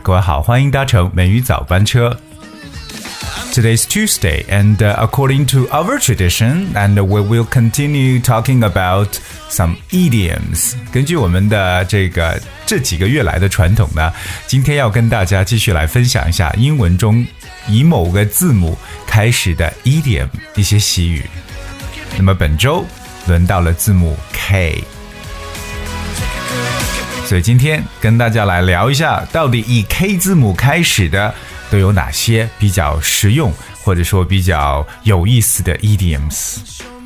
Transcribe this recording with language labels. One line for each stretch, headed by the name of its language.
Chinese: 各位好，欢迎搭乘美语早班车。
English: Today's Tuesday, and according to our tradition, and we will continue talking about some idioms.
Chinese: 根据我们的这几个月来的传统呢，今天要跟大家继续来分享一下英文中以某个字母开始的 idiom 一些习语。那么本周轮到了字母 K， 所以今天跟大家来聊一下，到底以 K 字母开始的都有哪些比较实用或者说比较有意思的 idioms。